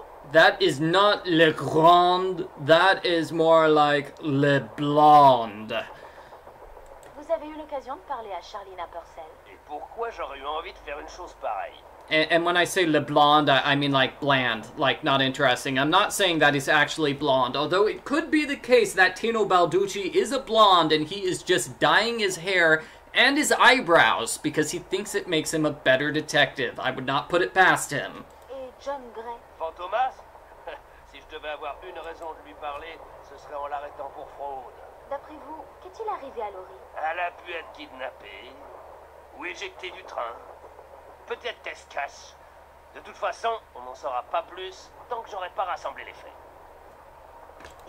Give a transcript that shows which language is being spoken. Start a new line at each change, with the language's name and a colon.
English: That is not Le Grand, that is more like Le Blonde.
French: Vous avez eu l'occasion de parler à Charlina Purcell. Et pourquoi j'aurais eu envie de faire une chose pareille?
English: And when I say Le Blonde, I mean like bland, like not interesting. I'm not saying that he's actually blonde, although it could be the case that Tino Balducci is a blonde and he is just dyeing his hair and his eyebrows because he thinks it makes him a better detective. I would not put it past him.
French: Et John Gray? Fantomas? Si je devais avoir une raison de lui parler, ce serait en l'arrêtant pour fraude. D'après vous, qu'est-il arrivé à Laurie? Elle a pu être kidnappée ou éjectée du train. Peut-être qu'elle se cache. De toute façon, on n'en saura pas plus tant que j'aurai pas rassemblé les faits.